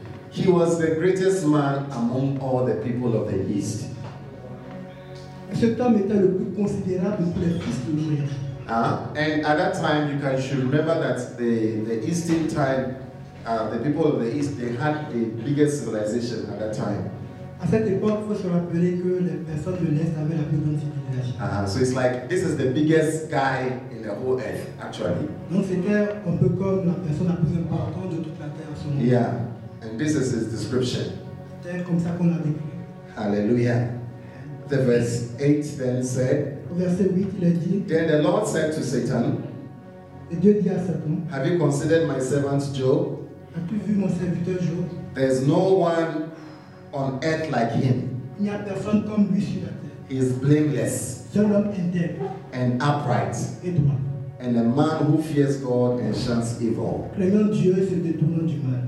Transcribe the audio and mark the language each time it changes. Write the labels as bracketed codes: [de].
[en] He was the greatest man among all the people of the East. And at that time, you should remember that the Eastern time, the people of the East, they had the biggest civilization at that time. [fr] À cette époque, faut se rappeler que les personnes de l'Est avaient la plus grande civilisation. [en] So it's like this is the biggest guy in the whole earth, actually. [fr] Donc c'était un peu comme la personne la plus importante de toute la terre en ce moment. [en] Yeah, and this is his description. [fr] C'est comme ça qu'on l'a décrit. [en] Hallelujah. The verse 8 then said. [fr] Verset 8, il a dit. [en] Then the Lord said to Satan. [fr] Et Dieu dit à Satan. [en] Have you considered my servant Job? [fr] As-tu vu mon serviteur Job? [en] There's no one on earth like him. [fr] Il n'y a personne comme lui sur la terre. [en] He is blameless. [fr] Seul homme intègre. [en] And upright. [fr] Et droit. [en] And a man who fears God and shuns evil. [fr] Craignant Dieu et se détournant du mal.